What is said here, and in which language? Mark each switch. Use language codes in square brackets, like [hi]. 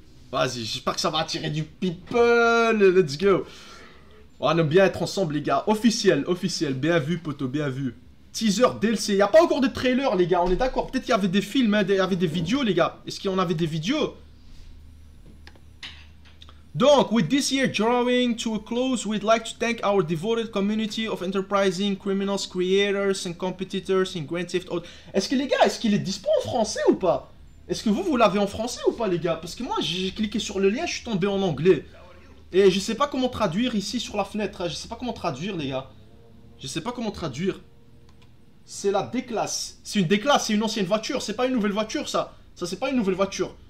[fr] Vas-y, j'espère que ça va attirer du people. [en] Let's go. [fr] On aime bien être ensemble les gars. Officiel, officiel. Bien vu poteau, bien vu. Teaser DLC. Il y a pas encore de trailer les gars, on est d'accord. Peut-être qu'il y avait des films, hein, il y avait des vidéos les gars. Est-ce qu'il y en avait des vidéos? [en] Donc, with this year drawing to a close, we'd like to thank our devoted community of enterprising criminals, creators and competitors in Grand Theft Auto. [fr] Est-ce que les gars, est-ce qu'il est dispo en français ou pas? Est-ce que vous l'avez en français ou pas les gars? Parce que moi, j'ai cliqué sur le lien, je suis tombé en anglais. Et je sais pas comment traduire ici sur la fenêtre, je sais pas comment traduire les gars. Je sais pas comment traduire. C'est la D-Class. C'est une D-Class, c'est une ancienne voiture, c'est pas une nouvelle voiture ça. Ça c'est pas une nouvelle voiture.